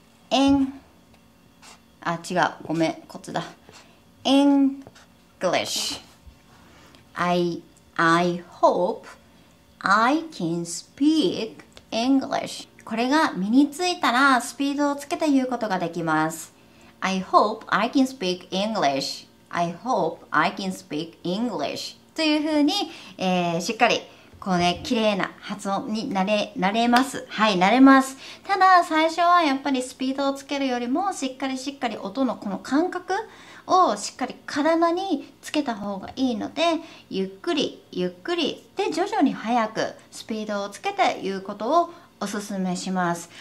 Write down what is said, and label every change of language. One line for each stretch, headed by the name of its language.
Japanese: In、 あ、違う、ごめん、こっちだ。
English: English。 I hope I can speak English。
Japanese: これが身についたらスピードをつけて言うことができます。
English: I hope I can speak English。 I hope I can speak English。
Japanese: というふうに、しっかり、こうね、綺麗な発音になれます。はい、なれます。ただ、最初はやっぱりスピードをつけるよりも、しっかり音のこの感覚をしっかり体につけた方がいいので、ゆっくり、で、徐々に速くスピードをつけて言うことをおすすめします。